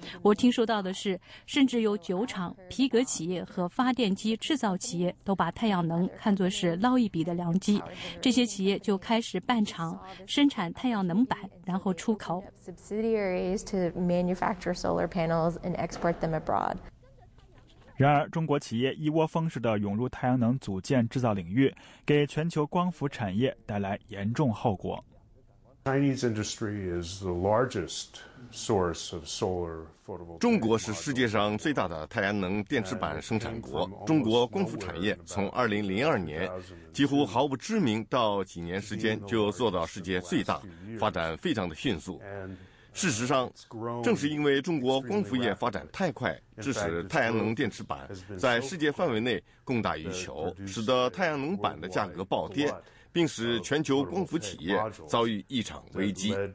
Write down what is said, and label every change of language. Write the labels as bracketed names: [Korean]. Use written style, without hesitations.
[Chinese] 我听说到的是，甚至有酒厂、皮革企业和发电机制造企业都把太阳能看作是捞一笔的良机，这些企业就开始办厂生产太阳能板，然后出口。 [English] Subsidiaries to manufacture solar panels and export them abroad。 [Chinese] 然而中国企业一窝蜂式的涌入太阳能组件制造领域，给全球光伏产业带来严重后果。 [English] Chinese industry is the largest source of solar photovoltaic. [Chinese] 中国是世界上最大的太阳能电池板生产国，中国光伏产业从2002年几乎毫不知名到几年时间就做到世界最大，发展非常的迅速。事实上，正是因为中国光伏业发展太快，致使太阳能电池板在世界范围内供大于求，使得太阳能板的价格暴跌，并使全球光伏企业遭遇一场危机。